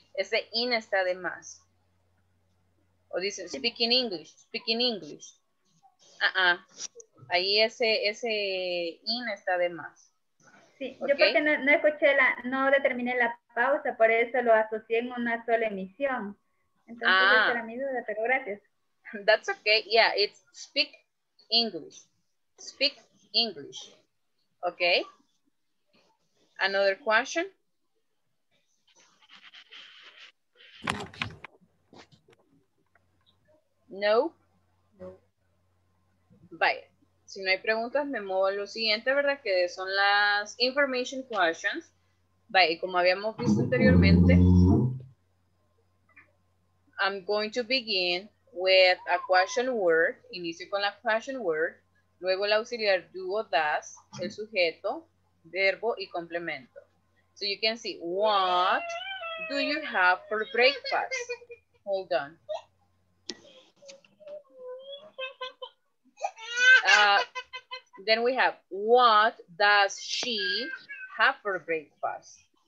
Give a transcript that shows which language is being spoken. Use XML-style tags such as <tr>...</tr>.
<es>Ese in está de más. O dicen,</es> <en>speak in English.</en> <es>Ahí ese in está de más. Sí, okay. Yo porque no escuché la, no determiné la pausa, por eso lo asocié en una sola emisión. Entonces, esa era mi duda, pero gracias.</es> <en>That's okay. Yeah, it's speak English. Speak English. Okay. Another question? No. Vaya.</en> <es>Si no hay preguntas, me muevo a lo siguiente, ¿verdad? Que son las information questions. Vaya, y como habíamos visto anteriormente,</es> <en>I'm going to begin with a question word.</en> <es>Inicio con la</es> <en>question word.</en> <es>Luego el auxiliar do or does, el sujeto, verbo y complemento.</es> <en>So you can see, what do you have for breakfast? Hold on. Then we have, what does she have for breakfast?</en>